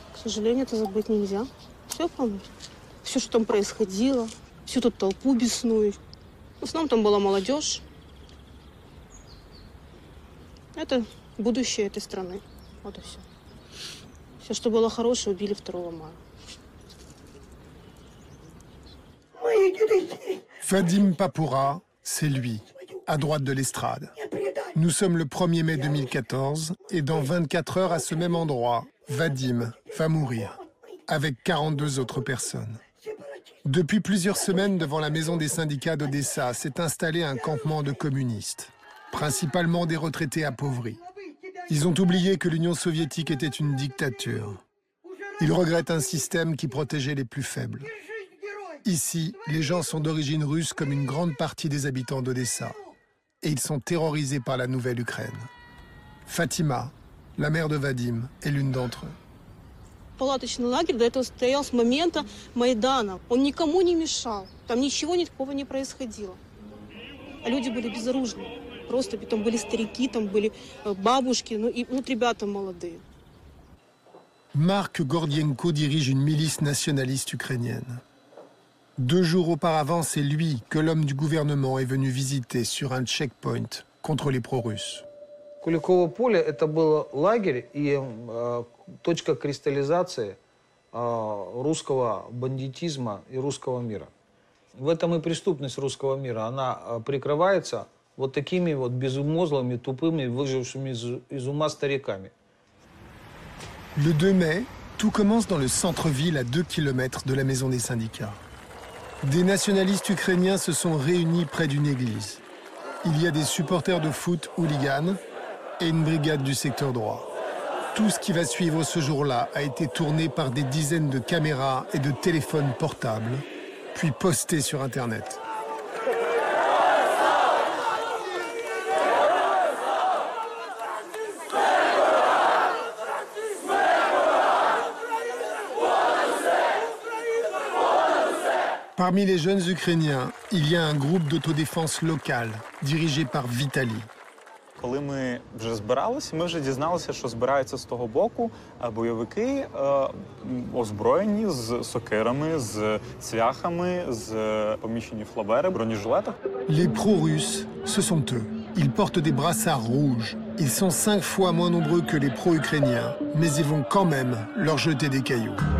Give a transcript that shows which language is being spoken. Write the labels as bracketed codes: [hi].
[ru] К сожалению, это забыть нельзя. Все помню. Все, что там происходило. Всю тут толпу бесную. В основном там была молодежь. Это будущее этой страны. Вот и все. Все, что было хорошее, убили 2 мая. [fr] Fadim Papoura, c'est лui, à droite de l'estrade. Nous sommes le 1er mai 2014 et dans 24 heures à ce même endroit, Vadim va mourir avec 42 autres personnes. Depuis plusieurs semaines, devant la maison des syndicats d'Odessa, s'est installé un campement de communistes, principalement des retraités appauvris. Ils ont oublié que l'Union soviétique était une dictature. Ils regrettent un système qui protégeait les plus faibles. Ici, les gens sont d'origine russe comme une grande partie des habitants d'Odessa. Et ils sont terrorisés par la nouvelle Ukraine. Fatima, la mère de Vadim, est l'une d'entre eux. [ru] Палаточный лагерь до этого стоял с момента Майдана. Он никому не мешал. Там ничего никакого не происходило. А люди были безоружны. Просто там были старики, там были бабушки, ну и вот ребята молодые. [fr] Марк Гордиенко dirige une milice nationaliste ukrainienne. 2 jours auparavant, c'est lui que l'homme du gouvernement est venu visiter sur un checkpoint contre les pro-russes. [ru] Куликово поле – это был лагерь и точка кристаллизации русского бандитизма и русского мира. В этом и преступность русского мира. Она прикрывается вот такими вот безумозлыми, тупыми, выжившими из ума стариками. [fr] Le 2 mai, tout commence dans le centre-ville à 2 km de la maison des syndicats. Des nationalistes ukrainiens se sont réunis près d'une église. Il y a des supporters de foot hooligans et une brigade du secteur droit. Tout ce qui va suivre ce jour-là a été tourné par des dizaines de caméras et de téléphones portables, puis posté sur Internet. Parmi les jeunes Ukrainiens, il y a un groupe d'autodéfense locale dirigé par Vitali. [uk] Коли ми вже збиралися, ми вже дізналися, що збираються з того боку бойовики, озброєні з сокирами, з цвяхами, з поміщені флабери, бронежилети. [fr] Les pro-russes, ce sont eux. Ils portent des brassards rouges. Ils sont 5 fois moins nombreux que les pro-ukrainiens, mais ils vont quand même leur jeter des cailloux.